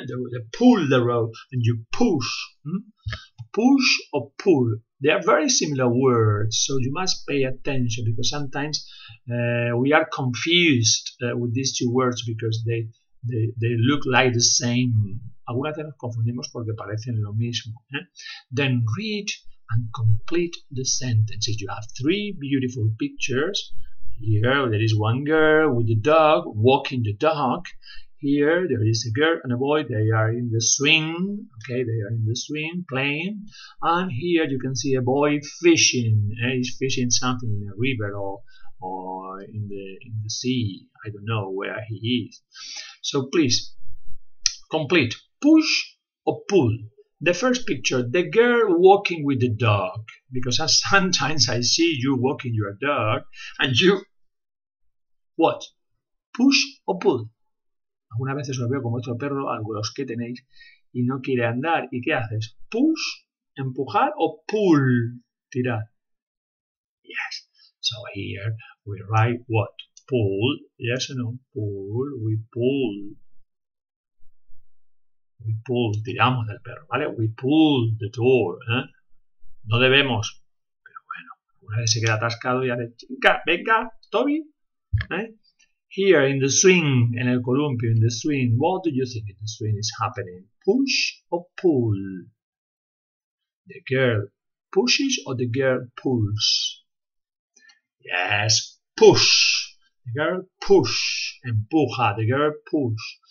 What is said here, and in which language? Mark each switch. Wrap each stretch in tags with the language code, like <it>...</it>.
<en>They pull the rope and you push. Push or pull. They are very similar words, so you must pay attention because sometimes we are confused with these 2 words because they look like the same.</en> <es>Algunas veces nos confundimos porque parecen lo mismo.</es> <en>¿Eh? Then read and complete the sentences. You have 3 beautiful pictures. Here there is one girl with a dog walking the dog. Here there is a girl and a boy, they are in the swing, okay, they are in the swing playing. And here you can see a boy fishing, he's fishing something in a river or in the sea, I don't know where he is. So please, complete, push or pull. The first picture, the girl walking with the dog, because sometimes I see you walking your dog and you, what, push or pull?</en> <es>Algunas veces os veo con vuestro perro, algunos que tenéis, y no quiere andar. ¿Y qué haces? ¿Push, empujar o pull, tirar? Yes.</es> <en>So here we write what? Pull. Yes or no? Pull. We pull. We pull.</en> <es>Tiramos del perro, ¿vale?</es> <en>We pull the door.</en> <es>¿Eh? No debemos. Pero bueno, una vez se queda atascado y hace chinga, venga, Toby. ¿Eh?</es> <en>Here in the swing,</en> <es>en el columpio,</es> <en>in the swing, what do you think in the swing is happening? Push or pull? The girl pushes or the girl pulls? Yes, push. The girl push.</en> <es>Empuja.</es> <en>The girl push.</en>